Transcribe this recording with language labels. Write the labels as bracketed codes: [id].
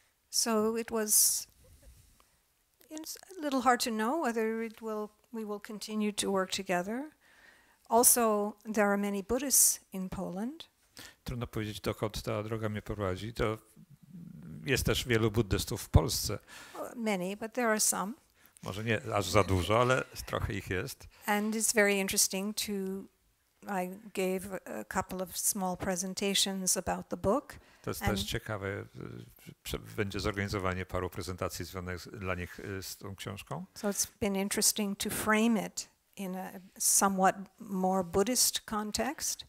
[en] So it was, it's a little hard to know whether we will continue to work together. Also, there are many Buddhists in Poland. [pl] Trudno powiedzieć, dokąd ta droga mnie prowadzi. To jest też wielu buddystów w Polsce. [en] Many, but there are some. [pl] Może nie aż za dużo, ale trochę ich jest. [en] And it's very interesting to, I gave a couple of small presentations about the book. [pl] To jest też ciekawe, będzie zorganizowanie paru prezentacji związanych dla nich z tą książką. [en] So it's been interesting to frame it in a somewhat more Buddhist context.